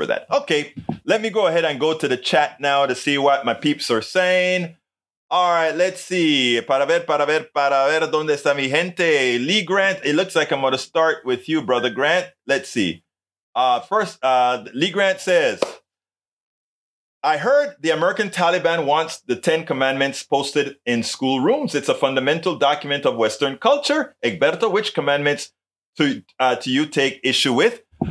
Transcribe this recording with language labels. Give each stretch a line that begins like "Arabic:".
English: Okay, let me go ahead and go to the chat now to see what my peeps are saying. All right, let's see.
Spanish: Para ver, ¿dónde está mi gente?
English: Lee Grant, it looks like I'm going to start with you, Brother Grant. Let's see. First, Lee Grant says, I heard the American Taliban wants the Ten Commandments posted in schoolrooms. It's a fundamental document of Western culture. Egberto, which commandments do you take issue with?